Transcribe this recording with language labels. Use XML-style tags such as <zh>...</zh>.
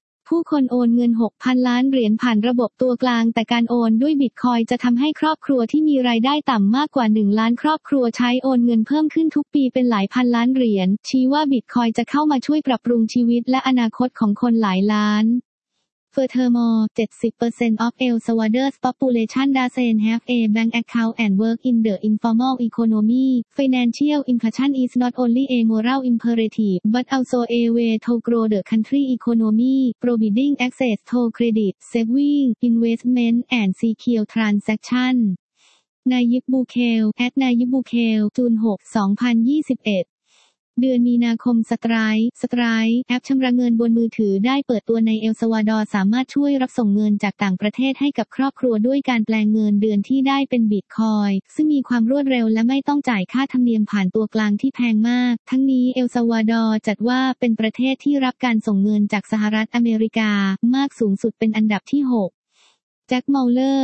<th>ผู้คนโอนเงิน 6,000 ล้านเหรียญผ่านระบบตัวกลางแต่การโอนด้วยบิตคอยน์จะทำให้ครอบครัวที่มีรายได้ต่ำมากกว่า1ล้านครอบครัวใช้โอนเงินเพิ่มขึ้นทุกปีเป็นหลายพันล้านเหรียญชี้ว่าบิตคอยน์จะเข้ามาช่วยปรับปรุงชีวิตและอนาคตของคนหลายล้าน</th> <en>Furthermore, 70% of El Salvador's population doesn't have a bank account and work in the informal economy. Financial inclusion is not only a moral imperative, but also a way to grow the country economy, providing access to credit, saving, investment, and secure transaction. Nayib Bukele, at Nayib Bukele, June 6, 2021.</en> <th>เดือนมีนาคมสไตรแอปชำระเงินบนมือถือได้เปิดตัวในเอลซาวาดอร์สามารถช่วยรับส่งเงินจากต่างประเทศให้กับครอบครัวด้วยการแปลงเงินเดือนที่ได้เป็นบิตคอยน์ซึ่งมีความรวดเร็วและไม่ต้องจ่ายค่าธรรมเนียมผ่านตัวกลางที่แพงมากทั้งนี้เอลซาวาดอร์จัดว่าเป็นประเทศที่รับการส่งเงินจากสหรัฐอเมริกามากสูงสุดเป็นอันดับที่6แจ็คมัลเล</th>